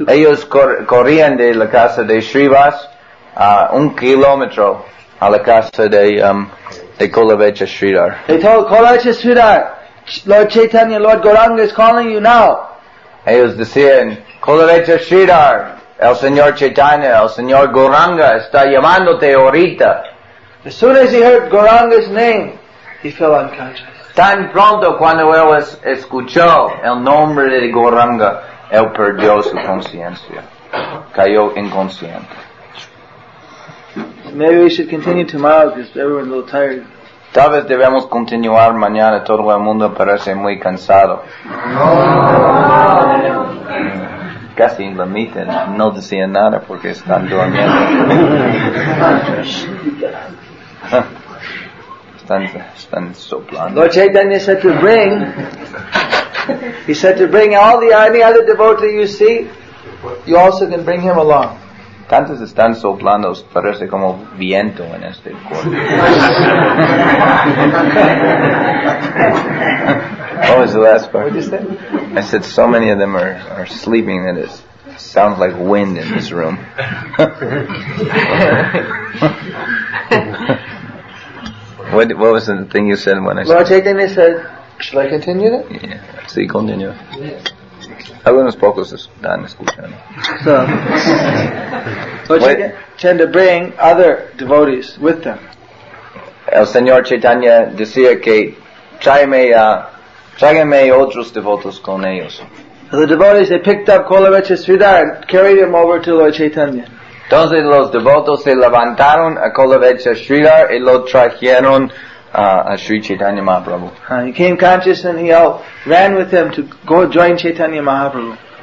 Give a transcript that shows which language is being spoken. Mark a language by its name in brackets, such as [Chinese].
[Spanish] Ellos corrían de la casa de Srivas 1 kilómetro a la casa de Kulavecha Sridhar. [English] They told Kulavecha Sridhar, Lord Chaitanya, Lord Gauranga is calling you now. [Spanish] Ellos decían, Kulavecha Sridhar, el Señor Chaitanya, el Señor Gauranga está llamándote ahorita. [English] As soon as he heard Gauranga's name, he fell unconscious. [Spanish] Tan pronto cuando él escuchó el nombre de Gauranga, él perdió su conciencia. Cayó inconsciente. [English] Maybe we should continue tomorrow because everyone's a little tired. [Spanish] Tal vez debemos continuar mañana. Todo el mundo parece muy cansado. Casi en la mitad. No decía nada porque están durmiendo. Están soplando. [English] Lord Chaitanya said to bring. He said to bring all the any other devotee you see. You also can bring him along. [Spanish] Tantos están soplando, parece como viento en este cuerpo. [English] What was the last part? What did you say? I said so many of them are sleeping that it sounds like wind in this room. What was the thing you said when I said? Lord Chaitanya said, should I continue that? Yeah, sí, continue. Yeah. [Spanish] Algunos pocos están escuchando. [English] So, Lord Chaitanya to bring other devotees with them. [Spanish] El Señor Chaitanya decía que tráigame otros devotos con ellos. [English] So the devotees, they picked up Kulavecha Sridhar and carried him over to Lord Chaitanya. [Spanish] Entonces los devotos se levantaron a Kulavecha Sridhar y lo trajeron a Sri Chaitanya Mahaprabhu. [English] He came conscious and he all ran with him to go join Chaitanya Mahaprabhu.